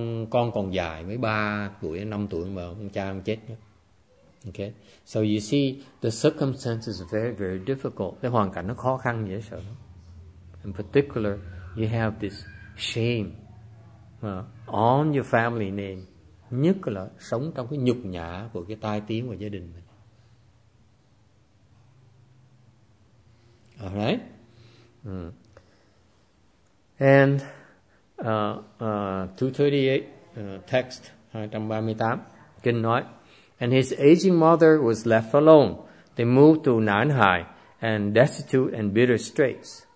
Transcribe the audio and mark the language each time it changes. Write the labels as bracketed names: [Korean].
[Vietnamese] Còn dài mấy 3 tuổi 5 tuổi mà ông cha ông chết. [English] Okay. So you see the circumstances are very very difficult. [Vietnamese] Cái hoàn cảnh nó khó khăn dễ sợ. [English] In particular, you have this shame on your family name. [Vietnamese] Nhất là sống trong cái nhục nhã của cái tai tiếng của gia đình mình. [English] All right. And 238 text 238 [Vietnamese] kinh nói, [English] and his aging mother was left alone. They moved to Nanhai and destitute and bitter straits.